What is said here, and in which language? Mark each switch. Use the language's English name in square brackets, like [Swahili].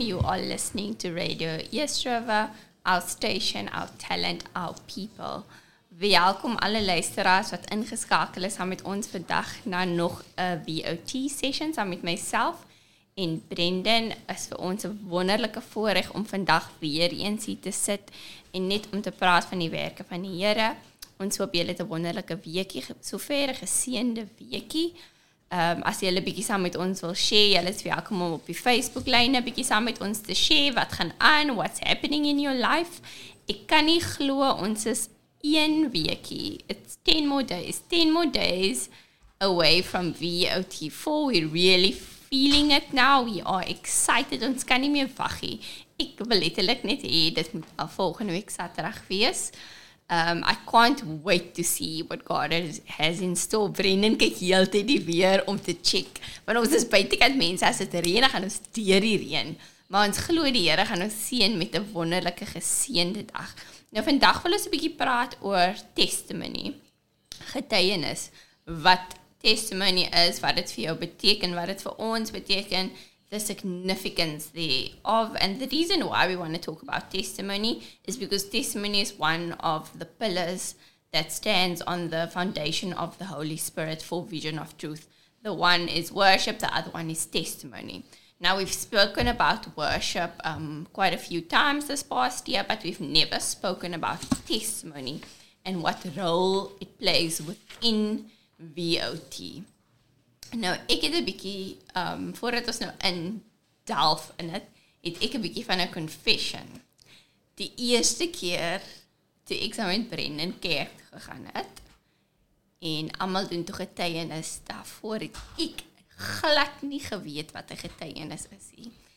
[English] You are listening to Radio Yesterova, our station, our talent, our people. [Afrikaans] Welkom alle luisteraars wat ingeskakel is saam met ons vandag na nog 'n VOT session saam met myself en Brendan. Is vir ons 'n wonderlike voorreg om vandag weer eens hier te sit en net om te praat van die werke van die Here. Ons hoop julle het 'n wonderlike weekie, soverre geseënde weekie. As julle bietjie saam met ons wil share, julle is welkom om op die Facebook lyn 'n bietjie saam met ons te share wat gaan aan, [English] what's happening in your life. [Afrikaans] Ek kan nie glo ons is 1 weekie. [English] It's 10 more days. 10 more days away from VOT4. We're really feeling it now. We are excited. [Afrikaans] Ons kan nie meer waggie. Ek wil letterlik net hê dit moet al volgende week Saterdag wees. [English] I can't wait to see what God has in store. [Afrikaans] Brendan kyk heeltyd die weer om te check. Want ons is buitekant mense, as dit reën, gaan ons deur die reën. Maar ons glo die Here gaan ons seën met 'n wonderlike geseënde dag. Nou vandag wil ons 'n bietjie praat oor testimony. Getuienis. Wat testimony is, wat dit vir jou beteken, wat dit vir ons beteken, [English] the significance thereof. And the reason why we want to talk about testimony is because testimony is one of the pillars that stands on the foundation of the Holy Spirit for vision of truth. The one is worship, the other one is testimony. Now, we've spoken about worship quite a few times this past year, but we've never spoken about testimony and what role it plays within VOT. [Afrikaans] Nou, ek het 'n bietjie, voordat ons nou in delf in het, het ek 'n bietjie van 'n confession. Die eerste keer toe ek saam met Brendan kerk gegaan het, en almal doen toe getuienis daarvoor, het ek glad nie geweet wat 'n getuienis is nie.